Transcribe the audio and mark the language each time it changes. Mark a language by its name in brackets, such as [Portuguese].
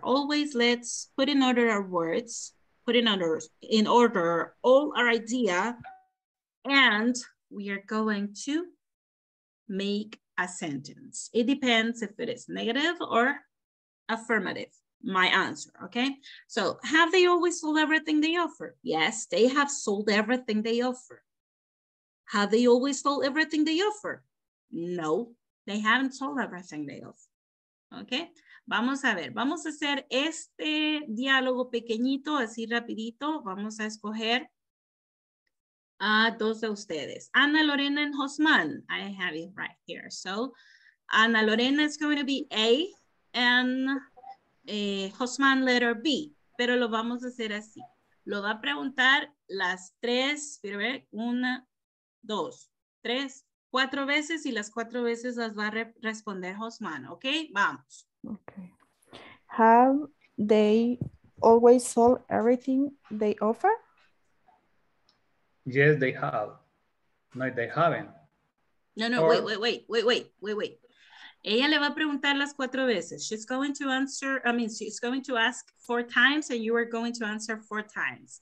[English] Always let's put in order our words, put in order all our idea, and we are going to make a sentence. It depends if it is negative or affirmative, my answer, okay? So have they always sold everything they offer? Yes, they have sold everything they offer. Have they always sold everything they offer? No, they haven't sold everything they offer, okay? [Spanish] Vamos a ver, vamos a hacer este diálogo pequeñito, así rapidito. Vamos a escoger a dos de ustedes. [English] Ana Lorena and Josman, I have it right here. So Ana Lorena is going to be A and Josman letter B, [Spanish] pero lo vamos a hacer así. Lo va a preguntar las tres, una, dos, tres, cuatro veces y las cuatro veces las va a responder Josman, ok? Vamos. [English] Okay. Have they always sold everything they offer? Yes, they have. No, they haven't. No, no, wait. [Spanish] Ella le va a preguntar las cuatro veces. [English] She's going to answer, I mean, she's going to ask four times and you are going to answer four times.